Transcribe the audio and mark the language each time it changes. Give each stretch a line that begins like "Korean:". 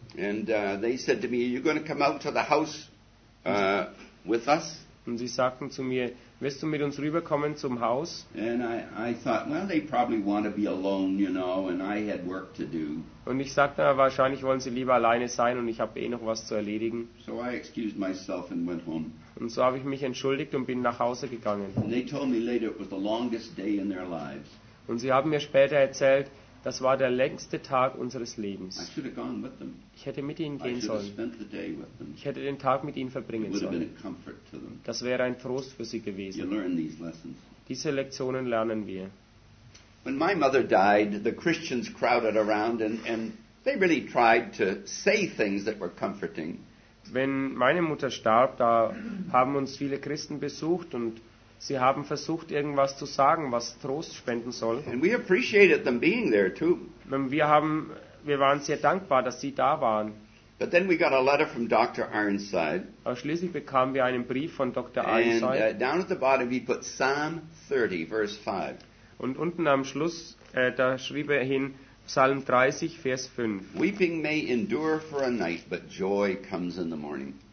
English: And they said to me, are you going to come out to the house with us?
German: Und sie sagten zu mir, wirst du mit uns rüberkommen zum Haus?
English: And I thought, well, they probably want to be alone, you know, and I had work to do.
German: Und ich sagte, wahrscheinlich wollen sie lieber alleine sein und ich habe eh noch was zu erledigen.
English: So I excused myself and went home.
German: Und so habe ich mich entschuldigt und bin nach Hause gegangen.
English: And they told me later it was the longest day in their lives.
German: Und sie haben mir später erzählt, das war der längste Tag unseres Lebens.
English: I should have gone with them.
German: Ich hätte mit ihnen gehen sollen.
English: I should have spent the day with them.
German: Ich hätte den Tag mit ihnen verbringen
English: It would have
German: sollen.
English: Been a comfort to them.
German: Das wäre ein Trost für sie gewesen.
English: You learn these lessons.
German: Diese Lektionen lernen wir.
English: When my mother died, the Christians crowded around and they really tried to say things that were comforting.
German: Wenn meine Mutter starb, da haben uns viele Christen besucht und sie haben versucht, irgendwas zu sagen, was Trost spenden soll.
English: And we appreciated them being there too.
German: Wir waren sehr dankbar, dass sie da waren.
English: But then we got a letter from Dr. Ironside.
German: Aber schließlich bekamen wir einen Brief von Dr. Ironside.
English: And down at the bottom he put Psalm 30, verse 5.
German: Und unten am Schluss, da schrieb er hin, Psalm 30, Vers 5.
English: Weeping may endure for a night, but joy comes in the morning.